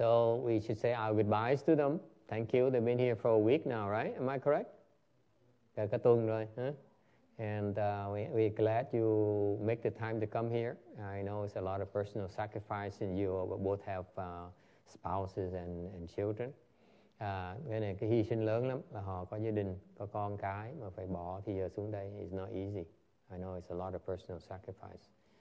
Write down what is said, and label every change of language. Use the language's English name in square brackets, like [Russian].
[English] So we should say our goodbyes to them. Thank you. They've been here for a week now, right? Am I correct? [Vietnamese] Cả tuần rồi, [English] huh? And we're glad you make the time to come here. I know it's a lot of personal sacrifice in you, but both have spouses and children. [Vietnamese] Cái này cái hy sinh lớn lắm là họ có gia đình, có con cái mà phải bỏ thì giờ xuống đây. [English] It's not easy. I know it's a lot of personal sacrifice.